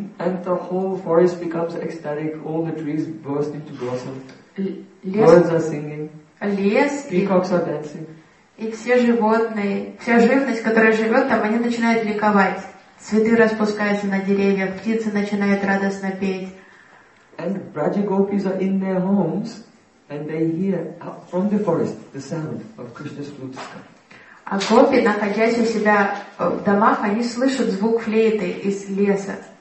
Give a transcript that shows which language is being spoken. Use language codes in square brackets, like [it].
[en] And the whole forest becomes ecstatic. All the trees burst into blossom. Birds are singing. [ru] Лес, [en] peacocks are dancing. [ru] И все животные, вся живность, которая живет там, они начинают ликовать. Цветы распускаются на деревьях, птицы начинают радостно петь. [en] And Brajagopis are in their homes, and they hear from the forest the sound of Krishna's flute. [ru] А гопи, находясь у себя в домах, они слышат звук флейты из леса.